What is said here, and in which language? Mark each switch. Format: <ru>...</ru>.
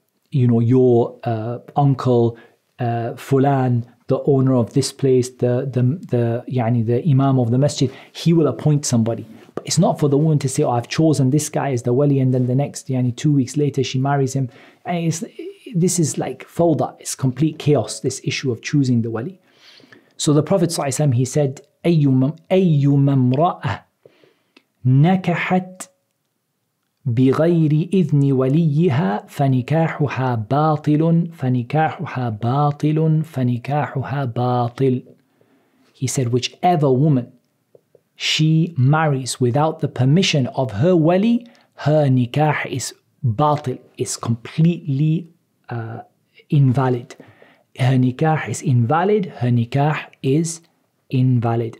<en>you know, your uncle Fulan, the owner of this place, the imam of the masjid, he will appoint somebody. But it's not for the woman to say, oh, I've chosen this guy as the wali, and then the next 2 weeks later she marries him. And this is like fawda, it's complete chaos, this issue of choosing the wali. So the Prophet ﷺ, he said,</en> <ar>أَيُّمَمْ رَأَهْ نَكَحَتْ بِغَيْرِ إِذْنِ وَلِيِّهَا فَنِكَاحُهَا بَاطِلٌ فَنِكَاحُهَا بَاطِلٌ فَنِكَاحُهَا بَاطِلٌ.</ar> <en>He said, whichever woman she marries without the permission of her wali, her nikah is batil, is completely invalid. Her nikah is invalid, her nikah is invalid.</en>